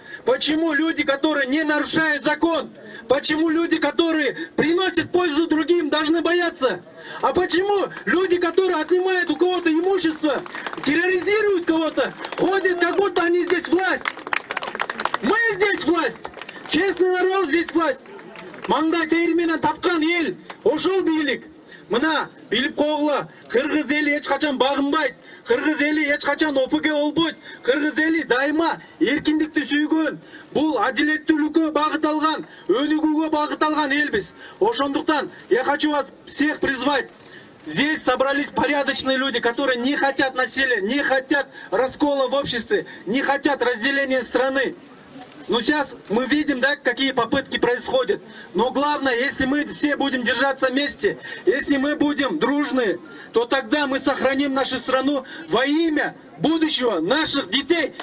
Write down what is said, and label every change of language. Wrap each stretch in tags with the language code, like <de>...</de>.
<ru>Почему люди, которые не нарушают закон? Почему люди, которые приносят пользу другим, должны бояться? А почему люди, которые отнимают у кого-то имущество, терроризируют кого-то, ходят, как будто они здесь власть? Мы здесь власть! Честный народ здесь власть!</ru> <ky>Маңда терминен тапкан ел, ошол бийлик. Мына билип койгула, кыргыз эли эч качан багынбайт. Кыргыз эли эч качан ОПГ болбойт. Кыргыз эли дайыма эркиндикти сүйгөн. Бул адилеттүүлүккө багытталган, өнүгүүгө багытталган элбиз. Ошондуктан</ky> <ru>я хочу вас всех призвать. Здесь собрались порядочные люди, которые не хотят насилия, не хотят раскола в обществе, не хотят разделения страны. Но сейчас мы видим, да, какие попытки происходят. Но главное, если мы все будем держаться вместе, если мы будем дружны, то тогда мы сохраним нашу страну во имя будущего наших детей.</ru>